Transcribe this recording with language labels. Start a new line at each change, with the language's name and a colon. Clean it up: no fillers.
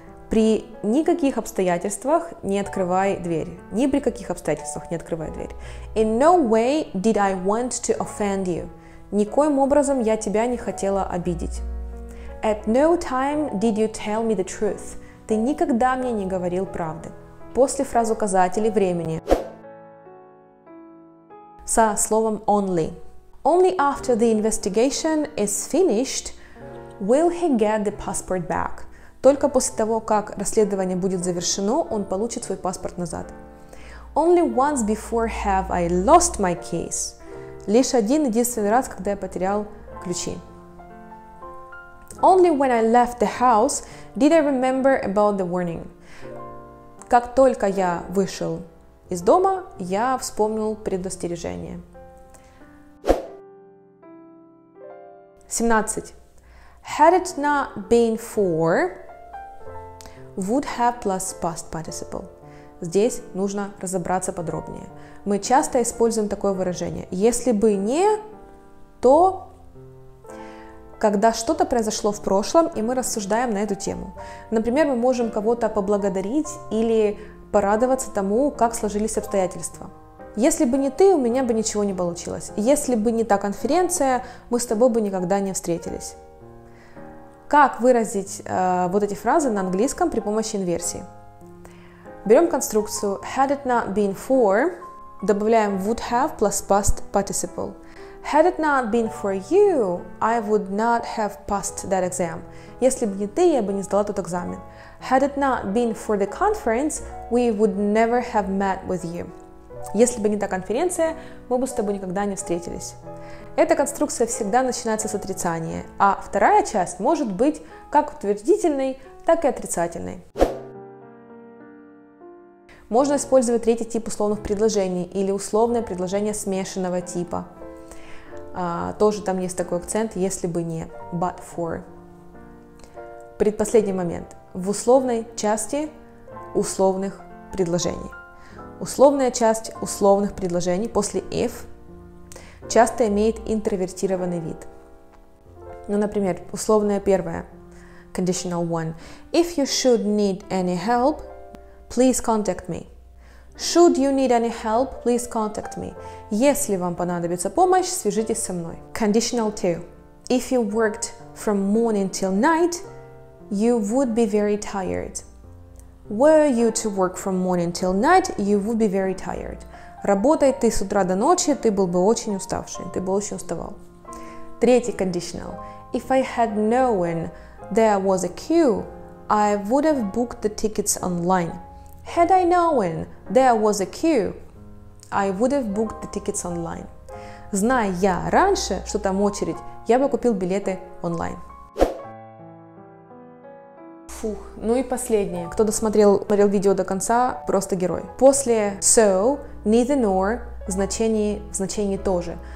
Russian: При никаких обстоятельствах не открывай дверь. Ни при каких обстоятельствах не открывай дверь.
English: In no way did I want to offend you.
Russian: Никоим образом я тебя не хотела обидеть.
English: At no time did you tell me the truth.
Russian: Ты никогда мне не говорил правды. После фраз указателей времени. Со словом only.
English: Only after the investigation is finished will he get the passport back.
Russian: Только после того, как расследование будет завершено, он получит свой паспорт назад.
English: Only once before have I lost my case.
Russian: Лишь один единственный раз, когда я потерял ключи.
English: Only when I left the house did I remember about the warning.
Russian: Как только я вышел из дома, я вспомнил предостережение. 17.
English: Had it not been for, would have plus past participle.
Russian: Здесь нужно разобраться подробнее. Мы часто используем такое выражение. Если бы не, то, когда что-то произошло в прошлом, и мы рассуждаем на эту тему. Например, мы можем кого-то поблагодарить или порадоваться тому, как сложились обстоятельства. Если бы не ты, у меня бы ничего не получилось. Если бы не та конференция, мы с тобой бы никогда не встретились. Как выразить вот эти фразы на английском при помощи инверсии? Берем конструкцию
English: had it not been for,
Russian: добавляем
English: would have plus past participle. Had it not been for you, I would not have passed that exam.
Russian: Если бы не ты, я бы не сдала тот экзамен.
English: Had it not been for the conference, we would never have met with you.
Russian: Если бы не та конференция, мы бы с тобой никогда не встретились. Эта конструкция всегда начинается с отрицания, а вторая часть может быть как утвердительной, так и отрицательной. Можно использовать третий тип условных предложений или условное предложение смешанного типа. Тоже там есть такой акцент, если бы не, but for. Предпоследний момент. В условной части условных предложений. Условная часть условных предложений после if часто имеет интровертированный вид. Ну, например, условное первое.
English: Conditional one. If you should need any help, please contact me. Should you need any help, please contact me.
Russian: Если вам понадобится помощь, свяжитесь со мной.
English: Conditional 2. If you worked from morning till night, you would be very tired. Were you to work from morning till night, you would be very tired.
Russian: Работай ты с утра до ночи, ты был бы очень уставший, ты бы очень уставал. Третий conditional.
English: If I had known there was a queue, I would have booked the tickets online. Had I known there was a queue, I would have booked the tickets online.
Russian: Зная я раньше, что там очередь, я бы купил билеты онлайн. Фух, ну и последнее. Кто досмотрел, смотрел видео до конца, просто герой. После so, neither nor, значение тоже.